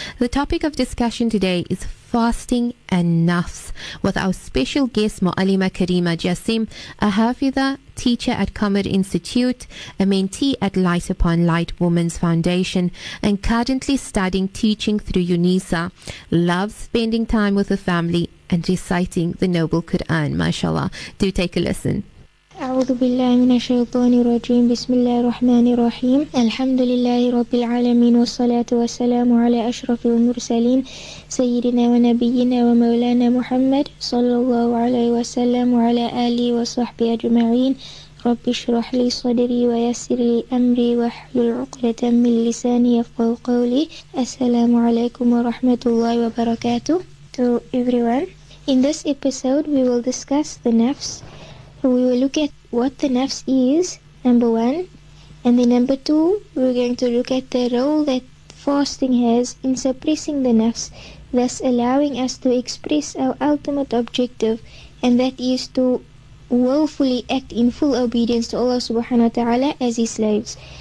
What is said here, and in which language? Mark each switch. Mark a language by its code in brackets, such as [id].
[en] The topic of discussion today is fasting and nafs, with our special guest Mualima Kareema Jassiem, a Haafitha teacher at Qamar Institute, a mentee at Light Upon Light Women's Foundation, and currently studying teaching through UNISA, loves spending time with the family and reciting the Noble Quran, mashallah. Do take a listen. [ar] أعوذ بالله من الشيطان الرجيم بسم الله الرحمن الرحيم الحمد لله رب العالمين والصلاة والسلام على أشرف المرسلين سيدنا ونبينا ومولانا محمد صلى الله عليه وسلم وعلى آله وصحبه أجمعين رب اشرح لي صدري ويسر لي أمري واحلل عقدة من لساني يفقهوا قولي السلام عليكم ورحمة الله وبركاته [en] To everyone, in this episode we will discuss the nafs. We will look at what the nafs is, number one, and then number two, we're going to look at the role that fasting has in suppressing the nafs, thus allowing us to express our ultimate objective, and that is to willfully act in full obedience to Allah subhanahu wa ta'ala as His slaves.